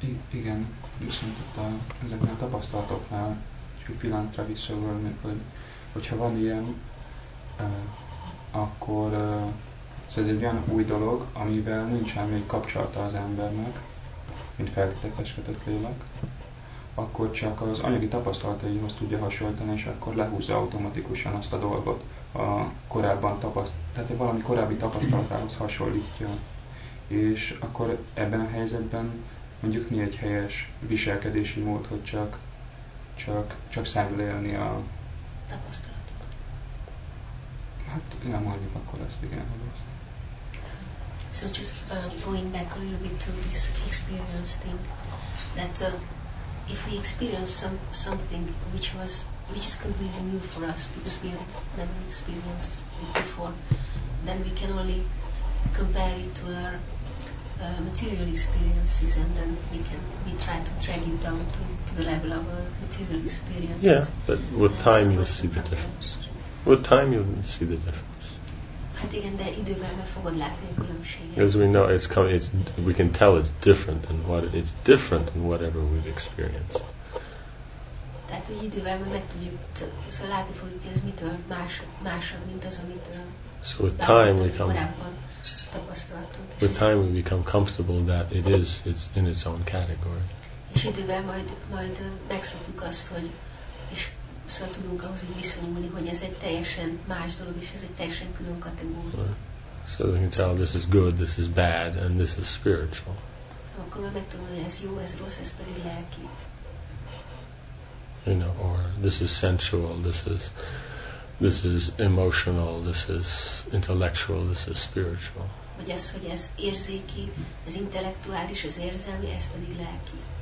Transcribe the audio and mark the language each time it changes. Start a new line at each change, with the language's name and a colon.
Hungarian: Igen, viszont ezeknél a tapasztalatoknál csak pillanatra visszagolni, hogyha van ilyen, akkor ez egy olyan új dolog, amivel nincsen még kapcsolata az embernek, mint feltételes kötött lélek, akkor csak az anyagi tapasztalataihoz tudja hasonlítani, és akkor lehúzza automatikusan azt a dolgot a korábban tehát valami korábbi tapasztalatához hasonlítja. És akkor ebben a helyzetben mondjuk mi egy helyes viselkedési mód, hogy csak szemlélni a tapasztalatokat? Hát nem mondjuk akkor ezt, igen.
English: So just going back a little bit to this experience thing, that if we experience something which is completely new for us, because we have never experienced it before, then we can only compare it to our material experiences, and then we try to drag it down to the level of our material experiences. Yeah, but with time you'll see the difference. With time you'll see the difference.
Hungarian: Hát igen, de idővel meg fogod látni a különbséget.
English: As we know, we can tell it's different than whatever we've experienced.
Hungarian: Tehát hogy idővel meg tudjuk, szóval látni fogjuk, hogy ez mitől másabb, mint az, amit korábban tapasztaltunk.
English: With time we become comfortable that it is, it's in its own category.
Hungarian: És idővel majd megszokjuk azt, hogy és szóval tudunk ahhoz így viszonyulni, hogy ez egy teljesen más dolog, és ez egy teljesen külön kategória.
English: So we can tell this is good, this is bad, and this is spiritual.
Hungarian: Akkor meg tudom, hogy ez jó, ez rossz, ez pedig lelki.
English: You know, or this is sensual, this is emotional, this is intellectual, this is spiritual.
Hungarian: Vagy az, hogy ez érzéki, ez intellektuális, ez érzelmi, ez pedig lelki.